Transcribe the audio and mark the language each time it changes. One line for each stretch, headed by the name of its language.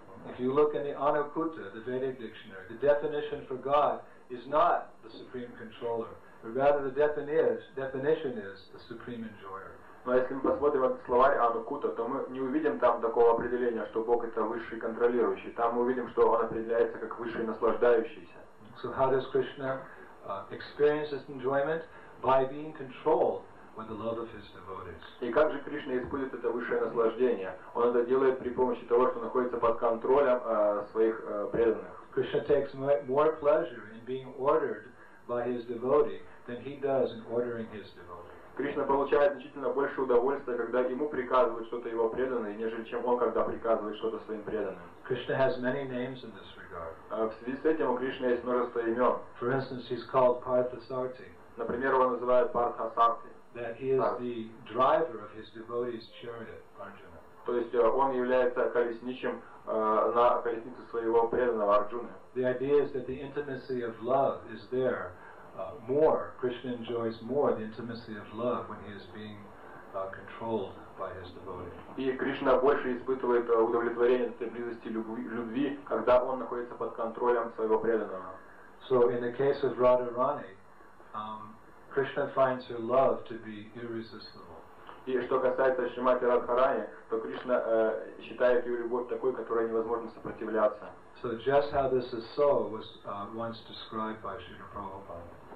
English: If you look in the Anukuta, the Vedic dictionary, the definition for God is not the supreme controller, but rather the definition is the supreme enjoyer.
Russian: Но если мы посмотрим этот словарь Anukuta, то мы не увидим там такого определения, что Бог — это высший контролирующий. Там мы увидим, что он определяется как высший наслаждающийся.
English: So how does Krishna experience this enjoyment? By being controlled with the love of his devotees.
Russian: И как же Кришна испытывает это высшее наслаждение? Он это делает при помощи того, что находится под контролем своих преданных.
English: Krishna takes more pleasure in being ordered by his devotee than he does in ordering his devotee.
Russian: Кришна получает значительно больше удовольствия, когда ему приказывают что-то его преданные, нежели чем он, когда приказывает что-то своим преданным.
English: Krishna has many names in this regard.
Russian: В связи с этим у Кришны есть множество имен.
English: For instance, he's called Parthasarthi.
Russian: Например, его называют Парта-сарти.
English: That he is the driver of his devotee's chariot, Arjuna.
Russian: То есть он является колесничим на колеснице своего преданного Арджуны.
English: The idea is that the intimacy of love is there. More Krishna enjoys more the intimacy of love when he is being controlled by his devotee.
Russian: И Кришна больше испытывает удовлетворение от этой близости любви, когда он находится под контролем своего преданного.
English: So in the case of Radharani, Krishna finds her love to be irresistible.
Russian: И что касается Шримати Радхарани, то Кришна считает ее любовь такой, которой невозможно сопротивляться.
English: So just how this is so was once described by Srila Prabhupada.